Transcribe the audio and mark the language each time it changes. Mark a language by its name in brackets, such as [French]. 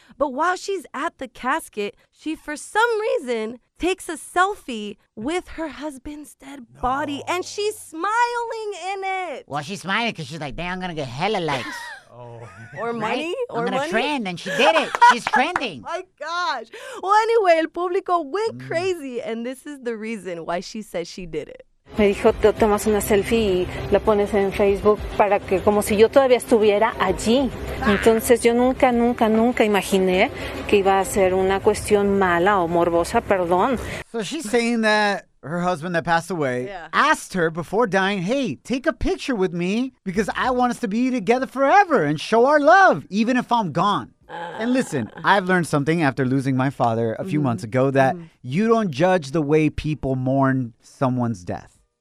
[English] But while she's at the casket, she, for some reason, takes a selfie with her husband's dead body, and she's smiling in it. Well, she's smiling because she's like, damn, I'm going to get hella likes. Or money? Right? Or I'm going to trend, and she did it. She's trending. My gosh. Well, anyway, [Spanish] el público [English] went crazy, and this is the reason why she says she did it. [Spanish] Me dijo, tomas una selfie y la pones en Facebook para que, como si yo todavía estuviera allí. Entonces yo nunca imaginé que iba a ser una cuestión mala o morbosa, perdón. [English] So she's saying that her husband that passed away asked her before dying, hey, take a picture with me because I want us to be together forever and show our love, even if I'm gone. And listen, I've learned something after losing my father a few months ago that you don't judge the way people mourn someone's death.